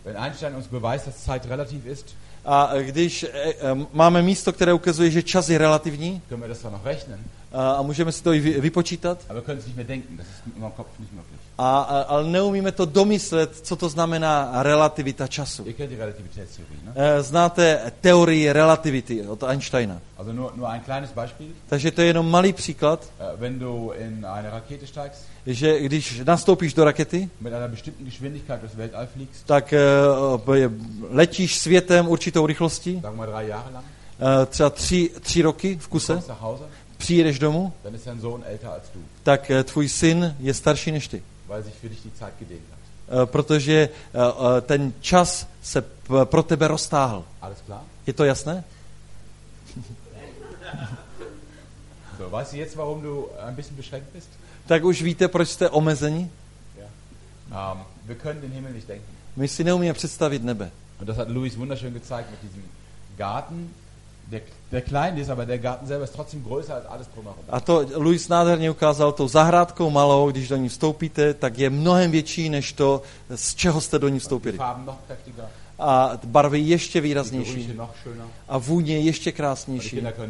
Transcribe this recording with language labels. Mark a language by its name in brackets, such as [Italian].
[German] Wenn Einstein uns beweist, dass Zeit relativ ist, [Czech] a když máme místo, které ukazuje, že čas je relativní, [German] können wir das dann noch rechnen, [Czech] a můžeme si to i vypočítat, [German] aber können Sie nicht mehr denken, das ist im Kopf nicht möglich. [Czech] Ale neumíme to domyslet, co to znamená relativita času. [German] Ihr kennt die Relativitätstheorie, ne? [Czech] Znáte teorii relativity od Einsteina. [German] Also nur ein kleines Beispiel. [Czech] Takže to je jenom malý příklad. [German] Wenn du in eine Rakete steigst, [Czech] že když nastoupíš do rakety, [German] mit einer bestimmten Geschwindigkeit durchs Weltall fliegst, [Czech] tak letíš světem určitou rychlostí, [German] sagen wir 3 Jahre lang, [Czech] třeba 3 roky v kuse, [German] du kommst nach Hause, [Czech] přijedeš domů, [German] dann ist dein Sohn älter als du. [Czech] Tak tvůj syn je starší než ty. [German] Weil sich für dich die Zeit gedehnt hat. [Czech] Protože ten čas se pro tebe roztáhl. [German] Alles klar? [Czech] Je to jasné? [German] So, weißt du jetzt, warum du ein bisschen beschränkt bist? [Czech] Tak už víte, proč jste omezení? [English] Yeah. [German] Wir können den Himmel nicht denken. [Czech] My si neumíme představit nebe. [German] Und das hat Lewis wunderschön gezeigt mit diesem Garten. Der klein ist, aber der Garten selber ist trotzdem größer als alles drumherum. [Czech] A to Lewis nádherně ukázal tou zahrádkou malou, když do ní vstoupíte, tak je mnohem větší než to, z čeho jste do ní vstoupili. A barvy ještě výraznější. A vůně ještě krásnější.